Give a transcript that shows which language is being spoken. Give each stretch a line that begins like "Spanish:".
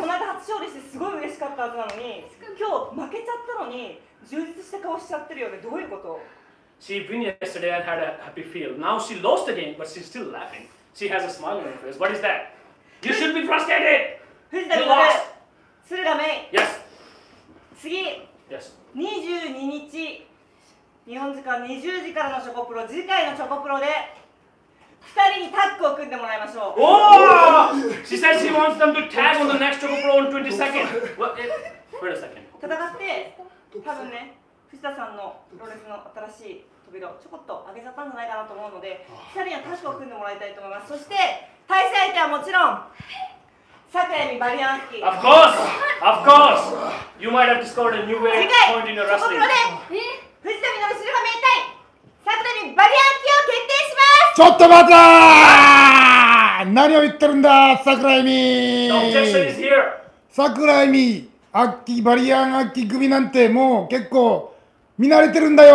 Japanese: この間初勝利してすごい嬉しかったはずなのに、今日負けちゃったのに充実した顔しちゃってるよね。どういうこと？
English: She won yesterday and had a happy feel. Now she lost again, but she's still laughing. She has a smile on her face. What is that? You should be frustrated! You lost!
Japanese: 鶴がめい。
English: Yes!
Japanese: 次。
English: Yes.
Japanese: 22日。日本時間20時からのチョコプロ、次回のチョコプロで2人にタッグを組んでもらいましょう。
English: おお、she says she wants them to tag on the next チョコプロ on 20 seconds. Wait a second.
Japanese: 戦って、多分ね、藤田さんのプロレスの新しい扉をちょこっと上げちゃったんじゃないかなと思うので、2人にはタッグを組んでもらいたいと思います。そして、対戦相手はもちろん、
English: Of course! Of course! You might have discovered a new way of pointing your wrestling.
Japanese: 次回、チョコプロで藤田みのるシルバー明太サクタにバリアンキーを決定します。ちょっと待った、何を言ってるんだ、サクライミー。サクライミー、アッキーバリアンアッキー組なんてもう結構見慣れてるんだよ。